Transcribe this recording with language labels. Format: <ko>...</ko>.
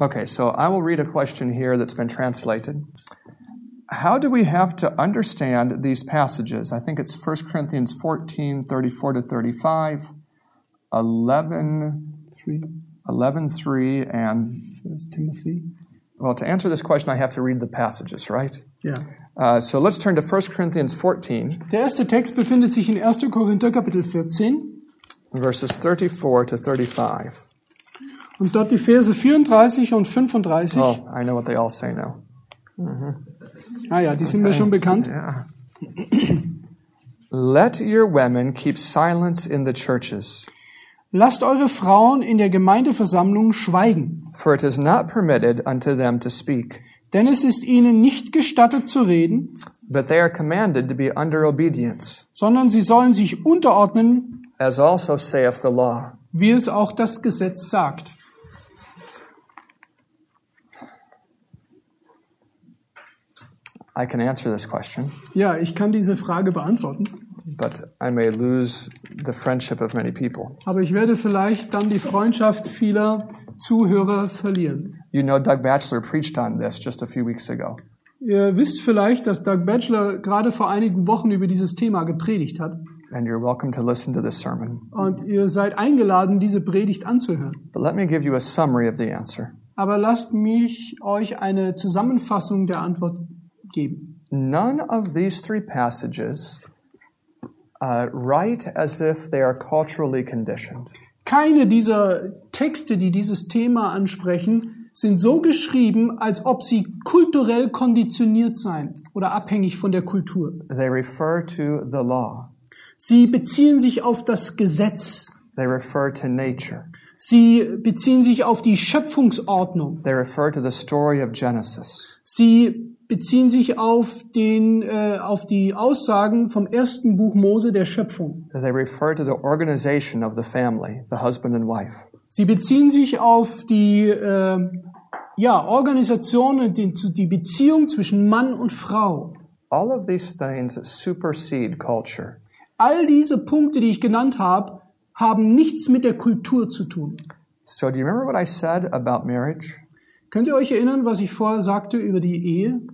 <en>Okay, so I will read a question here that's been translated. How do we have to understand these passages? I think it's 1 Corinthians 14, 34 to 35, 11:3, and 1 Timothy. Well, to answer this question, I have to read the passages, right? Yeah. So let's turn to 1 Corinthians 14.</en> <de>Der erste Text befindet sich in 1. Korinther, Kapitel 14.</de> <en>Verses 34 to 35.</en> <de>Und dort die Verse 34 und 35.</de> <en>Oh, I know what they all say now.</en> <de>Mm-hmm. Ah ja, die okay. sind mir schon bekannt.</de> <en>Yeah. Let your women keep silence in the churches.</en> <de>Lasst eure Frauen in der Gemeindeversammlung schweigen.</de> <en>For it is not permitted unto them to speak.</en> <de>Denn es ist ihnen nicht gestattet zu reden.</de> <en>But they are commanded to be under obedience.</en> <de>Sondern sie sollen sich unterordnen.</de> <en>As also saith the law.</en> <de>Wie es auch das Gesetz sagt.</de> <en>I can answer this question.</en> <de>Ja, ich kann diese Frage beantworten.</de> <en>But I may lose the friendship of many people.</en> <de>Aber ich werde vielleicht dann die Freundschaft vieler Zuhörer verlieren.</de> <en>You know, Doug Batchelor preached on this just a few weeks ago.</en> <de>Ihr wisst vielleicht, dass Doug Batchelor gerade vor einigen Wochen über dieses Thema gepredigt hat.</de> <en>And you're welcome to listen to this sermon.</en> <de>Und ihr seid eingeladen, diese Predigt anzuhören.</de> <en>But let me give you a summary of the answer.</en> <de>Aber lasst mich euch eine Zusammenfassung der Antwort geben.</de> <en>None of these three passages write as if they are culturally conditioned.</en> <de>Keine dieser Texte, die dieses Thema ansprechen, sind so geschrieben, als ob sie kulturell konditioniert seien oder abhängig von der Kultur.</de> <en>They refer to the law.</en> <de>Sie beziehen sich auf das Gesetz.</de> <en>They refer to nature.</en> <de>Sie beziehen sich auf die Schöpfungsordnung.</de> <en>They refer to the story of Genesis.</en> <de>Sie beziehen sich auf den auf die Aussagen vom ersten Buch Mose der Schöpfung.</de> <en>They refer to the organization of the family, the husband and wife.</en> <de>Sie beziehen sich auf die Organisation und die Beziehung zwischen Mann und Frau.</de> <en>All of these things supersede culture.</en> <de>All diese Punkte, die ich genannt habe, haben nichts mit der Kultur zu tun.</de> <en>So, do you remember what I said about marriage?</en> <de>Könnt ihr euch erinnern, was ich vorher sagte über die Ehe?</de>